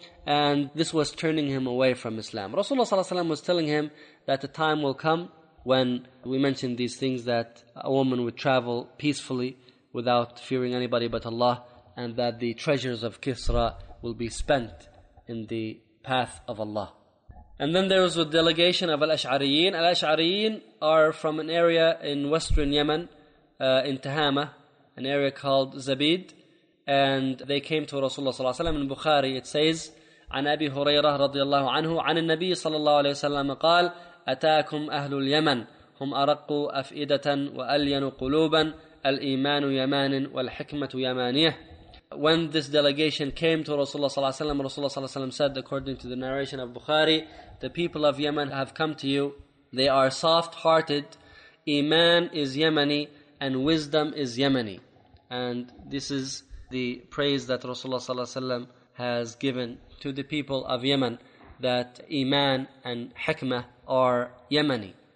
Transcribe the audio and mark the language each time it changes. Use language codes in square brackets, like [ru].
[en] And this was turning him away from Islam. Rasulullah ﷺ was telling him that the time will come when we mentioned these things, that a woman would travel peacefully without fearing anybody but Allah, and that the treasures of Kisra will be spent in the path of Allah. And then there was a delegation of Al-Ash'ariyin. Al-Ash'ariyin are from an area in western Yemen, in Tahama, an area called Zabid. And they came to Rasulullah ﷺ. In Bukhari it says, [ar] عن أبي هريرة رضي الله عنه عن النبي صلى الله عليه وسلم قال أتاكم أهل اليمن هم أرقوا أفئدة وألين قلوبا الإيمان يمان والحكمة يمانية. [en] When this delegation came to Rasulullah صلى الله عليه وسلم, Rasulullah صلى الله عليه وسلم said, according to the narration of Bukhari, the people of Yemen have come to you, they are soft-hearted, Iman is Yemeni and wisdom is Yemeni. And this is the praise that Rasulullah صلى الله عليه وسلم has given to the people of Yemen, that Iman and Hikmah are Yemeni.